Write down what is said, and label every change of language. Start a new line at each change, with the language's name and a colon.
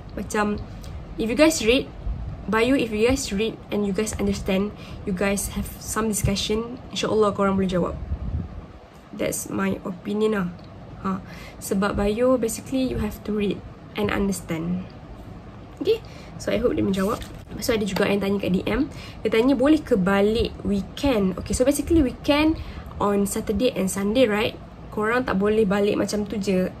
English: Macam if you guys read bio, if you guys read and you guys understand, you guys have some discussion, insyaAllah
Malay: korang boleh jawab.
English: That's my opinion lah. Sebab bio, basically you have to read and understand. Okay, so I hope
Malay: dia menjawab. So ada juga yang tanya kat DM, dia tanya boleh ke balik weekend.
English: Okay, so basically weekend on Saturday and Sunday, right?
Malay: Korang tak boleh balik macam tu je.